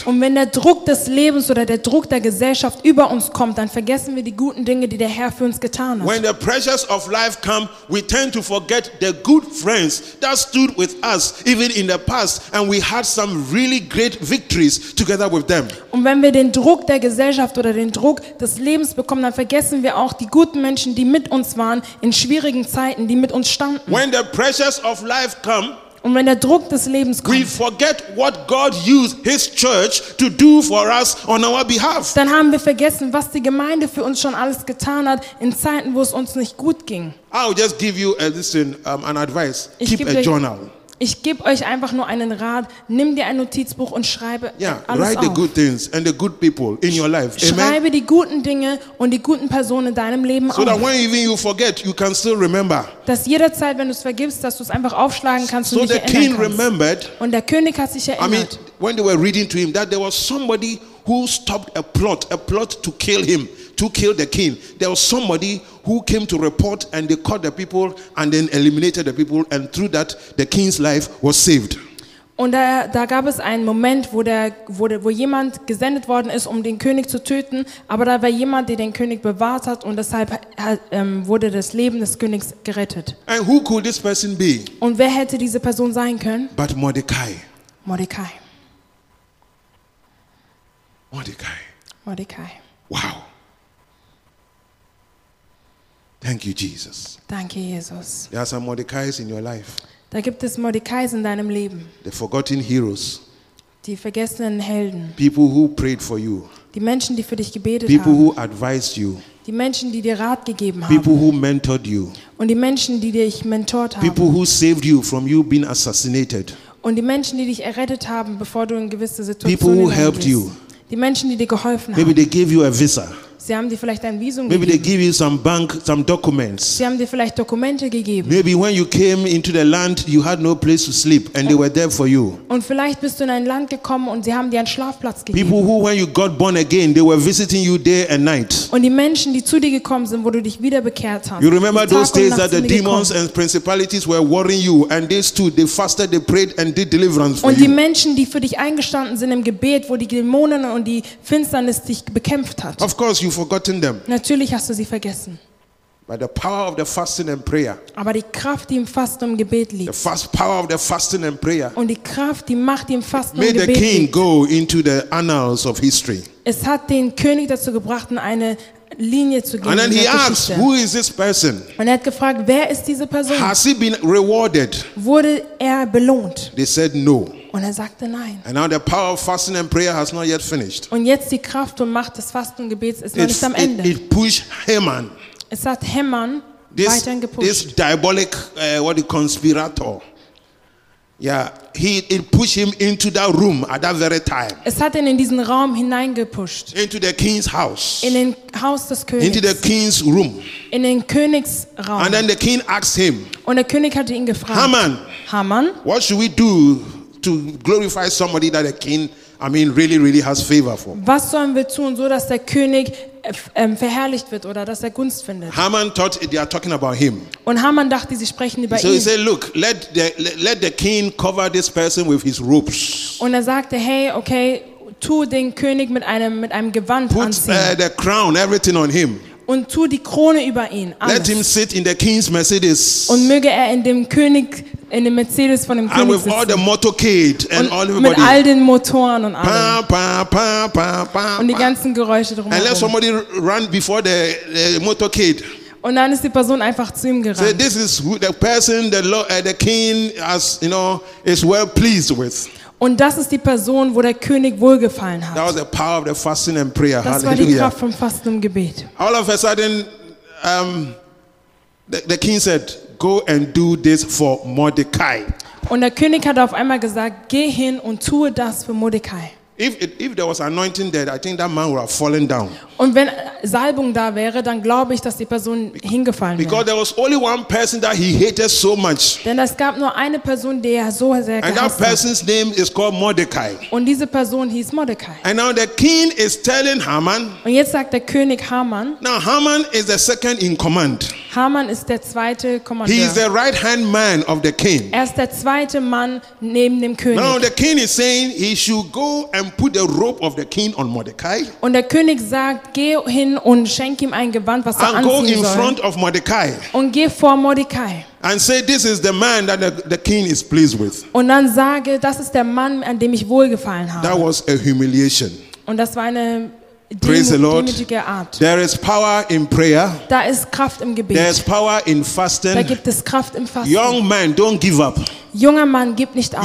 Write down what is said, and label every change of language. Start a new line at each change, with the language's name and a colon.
German: Und wenn der Druck des Lebens oder der Druck der Gesellschaft über uns kommt, dann vergessen wir die guten Dinge, die der Herr für uns getan hat.
English: When the pressures of life come, we tend to forget the good friends that stood with us even in the past and we had some really great victories together with them.
German: Und wenn wir den Druck der Gesellschaft oder den Druck des Lebens bekommen, dann vergessen wir auch die guten Menschen, die mit uns waren in schwierigen Zeiten, die mit uns standen.
English: When the pressures of life come,
German: und wenn der Druck des Lebens kommt,
English: we forget what God used his church to do for us on our behalf.
German: Dann haben wir vergessen, was die Gemeinde für uns schon alles getan hat in Zeiten, wo es uns nicht gut ging.
English: I'll just give you an advice. Keep a journal.
German: Ich gebe euch einfach nur einen Rat. Nimm dir ein Notizbuch und schreibe alles auf.
English: Write the good things and the good people in your life.
German: Schreibe die guten Dinge und die guten Personen in deinem Leben auf.
English: So that when even you forget, you can still remember.
German: Dass jederzeit, wenn du es vergibst, dass du es einfach aufschlagen kannst und so dich erinnern
English: king
German: kannst.
English: Remembered,
German: und der König hat sich erinnert.
English: I mean, when they were reading to him, that there was somebody who stopped a plot to kill him, to kill the king. There was somebody who came to report and they caught the people and then eliminated the people and through that the king's life was saved.
German: Und da gab es einen Moment, wo jemand gesendet worden ist, um den König zu töten, aber da war jemand, der den König bewahrt hat und deshalb wurde das Leben des Königs gerettet.
English: And who could this person be?
German: Und wer hätte diese Person sein können?
English: But Mordecai. Mordecai. Mordecai. Mordecai. Wow. Thank you, Jesus.
German: Danke, Jesus.
English: There are some Mordecais in your life.
German: Da gibt es Mordecais in deinem Leben.
English: The forgotten heroes.
German: Die vergessenen Helden.
English: People who prayed for you.
German: Die Menschen, die für dich gebetet
English: people
German: haben.
English: People who advised you.
German: Die Menschen, die dir Rat gegeben
English: people
German: haben.
English: People who mentored you.
German: Und die Menschen, die dich mentort haben.
English: People who saved you from you being assassinated.
German: Und die Menschen, die dich errettet haben, bevor du in gewisse Situationen
English: People who helped you.
German: Die Menschen, die dir geholfen
English: Maybe
German: haben.
English: Maybe they gave you a visa.
German: Sie haben dir vielleicht ein Visum
English: Maybe
German: gegeben.
English: They give you some bank, some documents.
German: Sie haben dir vielleicht Dokumente gegeben.
English: Maybe when you came into the land, you had no place to sleep, and they were there for you.
German: Und vielleicht bist du in ein Land gekommen und sie haben dir einen Schlafplatz gegeben.
English: People who, when you got born again, they were visiting you day and night.
German: Und die Menschen, die zu dir gekommen sind, wo du dich wiederbekehrt hast.
English: You remember those days that the demons and principalities were worrying you, and they stood, they fasted, they prayed, and did deliverance for you.
German: Und die Menschen, die für dich eingestanden sind im Gebet, wo die Dämonen und die Finsternis dich bekämpft hat.
English: Of course. You've forgotten them.
German: Natürlich hast du sie vergessen.
English: By the power of the fasting and prayer.
German: Aber die Kraft, die im Fasten und Gebet liegt.
English: The power of the fasting and prayer.
German: Und die Kraft, die Macht, die im Fasten
English: made
German: und Gebet
English: the king
German: liegt.
English: Go into the annals of history.
German: Es hat den König dazu gebracht, in eine Linie zu gehen.
English: And then he
German: Geschichte.
English: Asked, who is this person?
German: Und hat gefragt, wer ist diese Person?
English: Has he been rewarded?
German: Wurde er belohnt?
English: They said no.
German: Und sagte nein.
English: And now the power of fasting and prayer has not yet finished.
German: Und jetzt die Kraft und Macht des Fastens und Gebets ist noch nicht am Ende.
English: It pushed Haman.
German: Es hat Haman weiterhin gepusht.
English: This diabolic conspirator. Yeah, it pushed him into that room at that very time.
German: Es hat ihn in diesen Raum hineingepusht.
English: Into the king's house.
German: In den Haus des Königs.
English: Into the king's room.
German: In den Königsraum.
English: And then the king asked him.
German: Und der König hatte ihn gefragt.
English: Haman, what should we do to glorify somebody that the king, really, really has favor for?
German: Was sollen wir tun, so dass der König verherrlicht wird oder dass er Gunst findet?
English: Haman thought they are talking about him.
German: Und Haman dachte, sie sprechen über ihn.
English: So he said, look, let the king cover this person with his robes.
German: Und sagte, hey, okay, tu den König mit einem Gewand
English: Put,
German: anziehen.
English: Put the crown, everything on him.
German: Und tu die Krone über ihn. Alles.
English: Let him sit in the king's Mercedes.
German: Und möge er in dem König in dem Mercedes von dem König sitzen.
English: All the motorcade and all
German: mit all den Motoren und allem. Pa, pa, pa, pa, pa. Und die ganzen Geräusche drumherum.
English: And let somebody run before the motorcade.
German: Und dann ist die Person einfach zu ihm gerannt.
English: So this is who the person the Lord, the king has, you know, is well pleased with.
German: Und das ist die Person, wo der König wohlgefallen hat.
English: That was the power of the fasting and prayer.
German: Das war die Kraft vom Fasten und Gebet.
English: All of a sudden, the king said, "Go and do this for Mordecai."
German: Und der König hat auf einmal gesagt, geh hin und tue das für Mordecai.
English: If there was anointing there, I think that man would have fallen down.
German: Und wenn Salbung da wäre, dann glaube ich, dass die Person hingefallen
English: Because Because there was only one person that he hated so much.
German: Denn es gab nur eine Person, die er so sehr gehasst
English: And that person's
German: hat.
English: Name is called Mordecai.
German: Und diese Person hieß Mordecai.
English: And now the king is telling Haman.
German: Und jetzt sagt der König Haman.
English: Now Haman is the second in command.
German: Haman ist der zweite Kommandeur.
English: He is the right hand man of the king.
German: Er ist der zweite Mann neben dem König.
English: Now the king is saying he should go and put the robe of the king on Mordecai.
German: Und der König sagt, geh hin und schenk ihm ein Gewand, was er anziehen soll.
English: And go in front of Mordecai.
German: Und geh vor Mordecai.
English: And say, this is the man that the king is pleased with.
German: Und dann sage, das ist der Mann, an dem ich wohlgefallen habe.
English: That was a humiliation.
German: Und das war eine
English: Praise the Lord. There is power in prayer.
German: Da ist Kraft im Gebet.
English: There is power in fasting.
German: Da gibt es Kraft im Fasten.
English: Young man, don't give up.
German: Junger Mann, gib nicht auf.